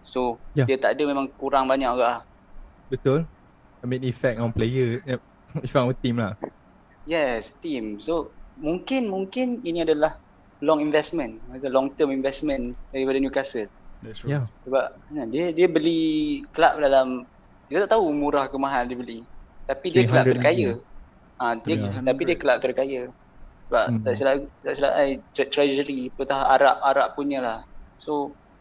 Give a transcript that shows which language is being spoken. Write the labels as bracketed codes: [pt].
[ms] So dia tak ada, memang kurang banyak ke lah. Betul. [en] I mean effect on player, effect on team lah. Yes, team. [ms] So mungkin ini adalah [en] long investment. It's a long term investment daripada Newcastle. That's true. [ms] Sebab dia beli club dalam, kita tak tahu murah ke mahal dia beli. Tapi dia club terkaya. Tapi dia club terkaya. Sebab tak silap treasury pertahan Arab punya lah. So